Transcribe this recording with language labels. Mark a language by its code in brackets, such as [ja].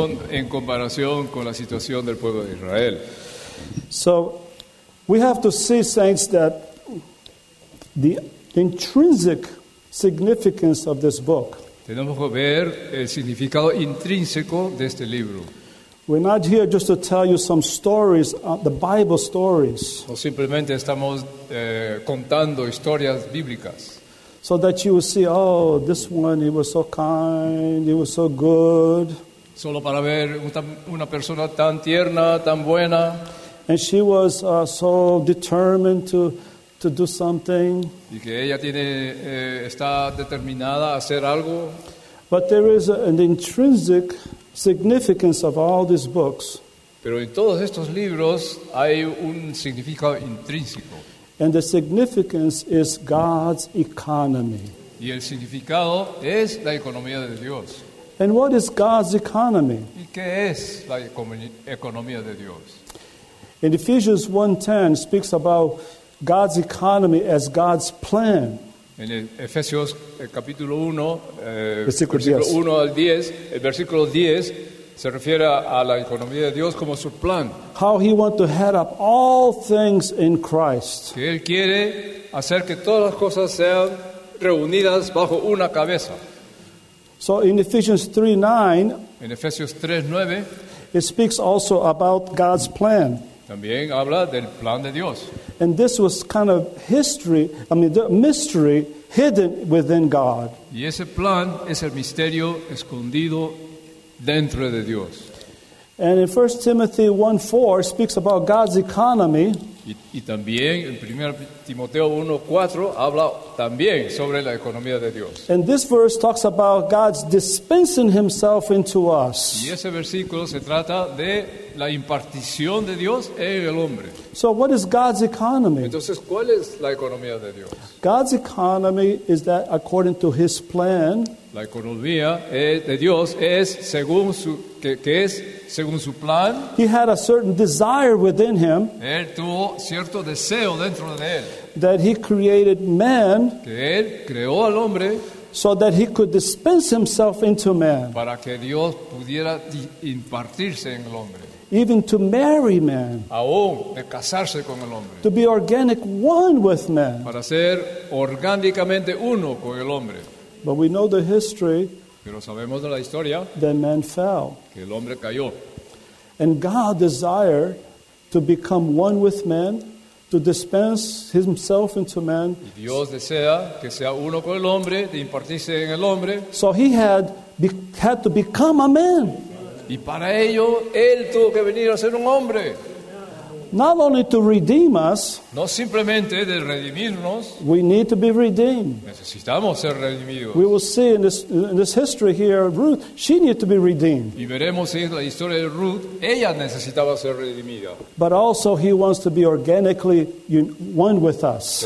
[es] En comparación con la situación del pueblo de Israel. [en] So, we have to see, saints, that the intrinsic significance of this book. [es] Tenemos que ver el significado intrínseco de este libro. [en] We're not here just to tell you some stories, the Bible stories. [es] O simplemente estamos contando historias bíblicas. [en] So that you will see, oh, this one, he was so kind, he was so good. [es] Solo para ver una persona tan tierna, tan buena. [en] And she was so determined to do something. [es] Y que ella está determinada a hacer algo. [en] But there is an intrinsic significance of all these books. [es] Pero en todos estos libros hay un significado intrínseco. [en] And the significance is God's economy. [es] Y el significado es la economía de Dios. [en] And what is God's economy? [es] ¿Y qué es la economía de Dios? [en] In Ephesians 1:10 speaks about God's economy as God's plan. [es] En Efesios el capítulo 1, versículo 1 al 10, el versículo 10 se refiere a la economía de Dios como su plan. [en] How he want to head up all things in Christ. [es] Que él quiere hacer que todas las cosas sean reunidas bajo una cabeza. [en] So in Ephesians 3:9, [es] en Efesios 3:9, [en] it speaks also about God's plan. [es] También habla del plan de Dios. [en] And this was kind of history, I mean the mystery hidden within God. [es] Y ese plan es el misterio escondido dentro de Dios. [en] And in 1 Timothy 1:4 speaks about God's economy. [es] Y también en 1 Timoteo 1:4 habla también sobre la economía de Dios. [en] And this verse talks about God's dispensing himself into us. [es] Y ese versículo se trata de la impartición de Dios en el hombre. [en] So what is God's economy? [es] Entonces, ¿cuál es la economía de Dios? [en] God's economy is that according to his plan. [es] La economía de Dios es según su que es según su plan. [en] He had a certain desire within him. [es] Él tuvo cierto deseo dentro de él. [en] That he created man. [es] Que él creó al hombre. [en] So that he could dispense himself into man. [es] Para que Dios pudiera impartirse en el hombre. [en] Even to marry man. [es] Aún de casarse con el hombre. [en] To be organic one with man. [es] Para ser orgánicamente uno con el hombre. [en] But we know the history. [es] Pero sabemos de la historia. [en] That man fell. [es] Que el hombre cayó. [en] And God desired to become one with man, to dispense himself into man. [es] Y Dios desea que sea uno con el hombre, de impartirse en el hombre. [en] So he had to become a man. [es] Y para ello, él tuvo que venir a ser un hombre. [en] Not only to redeem us. [es] No simplemente de redimirnos. [en] We need to be redeemed. [es] Necesitamos ser redimidos. [en] We will see in this history here, Ruth, she needed to be redeemed. [es] Y veremos en la historia de Ruth, ella necesitaba ser redimida. [en] But also he wants to be organically one with us.